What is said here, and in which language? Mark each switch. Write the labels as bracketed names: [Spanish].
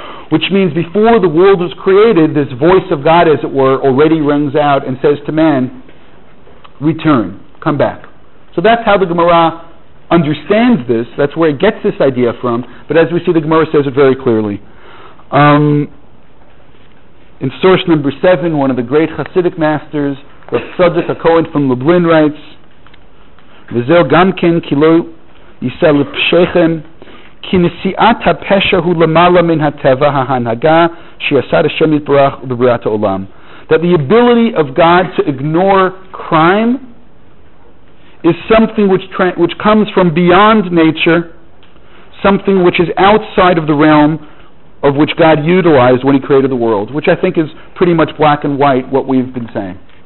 [English] Which means before the world was created, this voice of God, as it were, already rings out and says to man, return, come back. So that's how the Gemara understands this. That's where it gets this idea from. But as we see, the Gemara says it very clearly. In source number 7, one of the great Hasidic masters, the Tzaddik HaKohen from Lublin, writes, [Hebrew] וזהו גם כן כאילו יישא לפשכם, כי נשיאת הפשע הוא למעלה מן הטבע ההנהגה שיסד השם יתברך בבריאת העולם. [English] That the ability of God to ignore crime is something which comes from beyond nature, something which is outside of the realm of which God utilized when he created the world, which I think is pretty much black and white what we've been saying.